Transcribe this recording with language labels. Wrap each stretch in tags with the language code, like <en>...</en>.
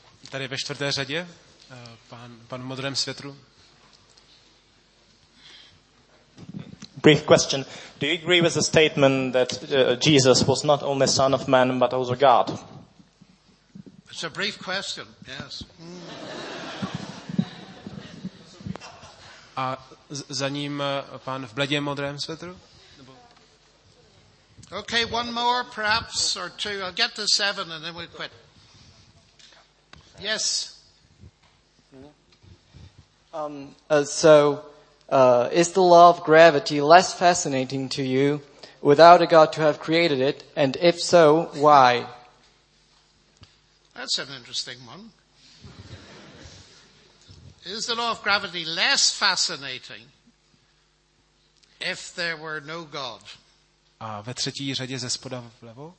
<cs>Tady ve čtvrté řadě, pan v modrém světru.</cs> <en>Brief question. Do you agree with the statement that Jesus was not only son of man, but also God? It's a brief question, yes.</en> <cs>A za ním pan v bledě modrém světru?</cs> <en>Okay, one more, perhaps, or two. I'll get to seven, and then we'll quit. Yes. Is the law of gravity less fascinating to you without a God to have created it? And if so, why? That's an interesting one. Is the law of gravity less fascinating if there were no God?</en> <cs>A ve třetí řadě ze spoda vlevo?</cs>